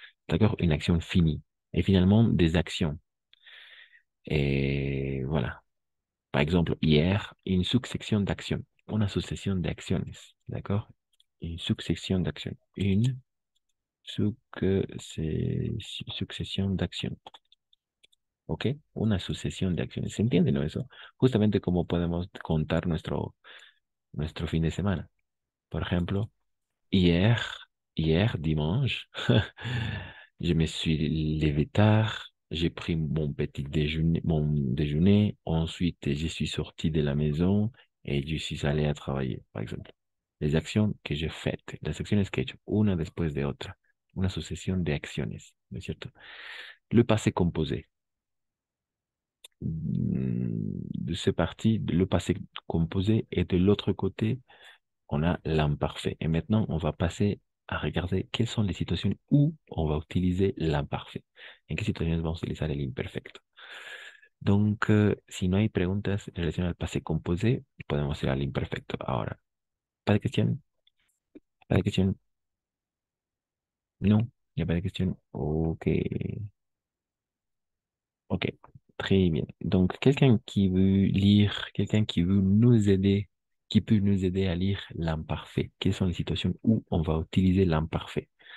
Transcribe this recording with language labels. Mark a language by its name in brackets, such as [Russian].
[French] D'accord? Une action finie. Et finalement, des actions. Et voilà. Par exemple, hier, une succession d'actions. Une association d'actions. D'accord? Une succession d'actions. Une succession d'actions. OK? Une association d'actions. [Spanish] ¿Se entiende, no, eso? Justamente como podemos contar nuestro fin de semana. Por ejemplo, [French] hier dimanche, je me suis levé tard, j'ai pris mon déjeuner, ensuite je suis sorti de la maison et je suis allé à travailler, par exemple. Les actions que j'ai faites, les actions que j'ai faites, une después de l'autre, une succession d'actions, [Spanish] ¿no es cierto? [French] Le passé composé. De cette partie, le passé composé et de l'autre côté, on a l'imparfait. Et maintenant, on va passer à regarder quelles sont les situations où on va utiliser l'imparfait. En quelles situations on va utiliser l'imperfecto. [Spanish] Donc, si no hay preguntas en relación al passé composé, podemos hacer l'imperfecto ahora. [French] Pas de questions? Pas de questions? Non, il n'y a pas de questions. Ok. Ok, très bien. Donc, quelqu'un qui veut lire, quelqu'un qui veut nous aider, qui peut nous aider à lire l'imparfait. Quelles sont les situations où on va utiliser l'imparfait?